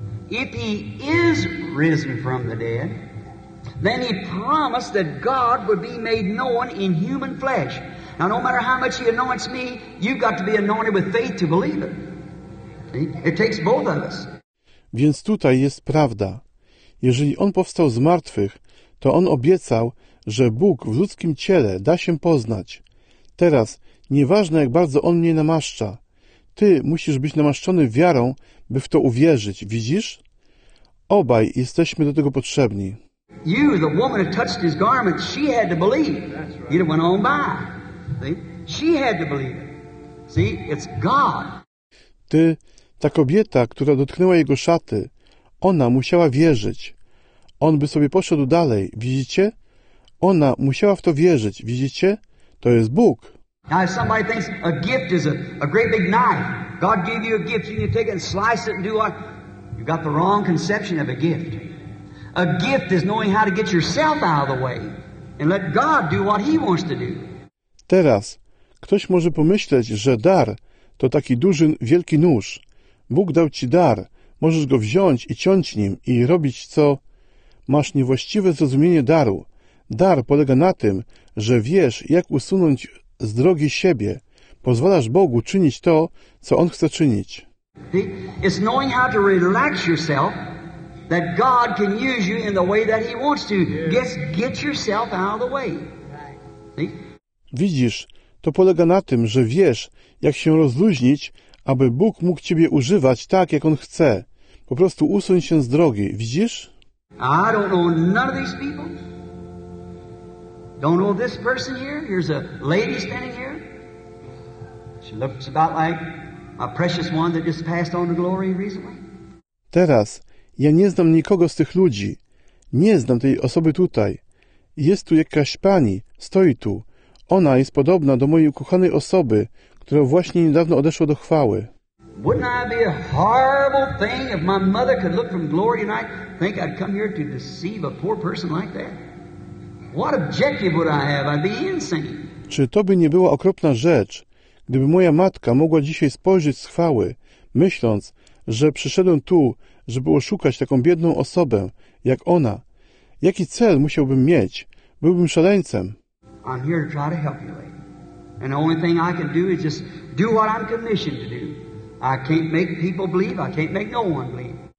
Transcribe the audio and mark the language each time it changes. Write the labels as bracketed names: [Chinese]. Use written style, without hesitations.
[English] If he is risen from the dead, then he promised that God would be made known in human flesh. Now, no matter how much he anoints me, you've got to be anointed with faith to believe it. It takes both of us. [Polish] Więc tutaj jest prawda. Jeżeli on powstał z martwych, to on obiecał, że Bóg w ludzkim ciele da się poznać. Teraz, nieważne jak bardzo on mnie namaszcza, ty musisz być namaszczony wiarą, by w to uwierzyć. Widzisz? Obaj jesteśmy do tego potrzebni. [English] You, the woman who touched his garment, she had to believe. That's right. It went on by. See? She had to believe. See? It's God. [Polish] Ty, ta kobieta, która dotknęła jego szaty, ona musiała wierzyć. On by sobie poszedł dalej. Widzicie? Ona musiała w to wierzyć. Widzicie? To jest Bóg. [English] Now, if somebody thinks a gift is a great big knife, God gave you a gift, you need to take it and slice it and do what? You've got the wrong conception of a gift. A gift is knowing how to get yourself out of the way and let God do what he wants to do. [Polish] Teraz, ktoś może pomyśleć, że dar to taki duży, wielki nóż. Bóg dał ci dar, możesz go wziąć i ciąć nim i robić co? Masz niewłaściwe zrozumienie daru. Dar polega na tym, że wiesz, jak usunąć z drogi siebie. Pozwalasz Bogu czynić to, co On chce czynić. [English] It's knowing how to relax yourself that God can use you in the way that He wants to. Get yourself out of the way. [Polish] Widzisz, to polega na tym, że wiesz, jak się rozluźnić, aby Bóg mógł Ciebie używać tak, jak On chce. Po prostu usuń się z drogi. Widzisz? [English] I don't know none of these people. Don't know this person here. Here's a lady standing here. She looks about like my precious one that just passed on to glory recently. [Polish] Teraz, ja nie znam nikogo z tych ludzi. Nie znam tej osoby tutaj. Jest tu jakaś pani, stoi tu. Ona jest podobna do mojej ukochanej osoby, która właśnie niedawno odeszła do chwały. [English] Wouldn't I be a horrible thing if my mother could look from glory and I think I'd come here to deceive a poor person like that? What objective would I have? I'd be insane. [Polish] Czy to by nie była okropna rzecz, gdyby moja matka mogła dzisiaj spojrzeć z chwały, myśląc, że przyszedłem tu, żeby oszukać taką biedną osobę, jak ona? Jaki cel musiałbym mieć? Byłbym szaleńcem. [English] I'm here to try to help you, lady. And the only thing I can do is just do what I'm commissioned to do. I can't make people believe. I can't make no one believe.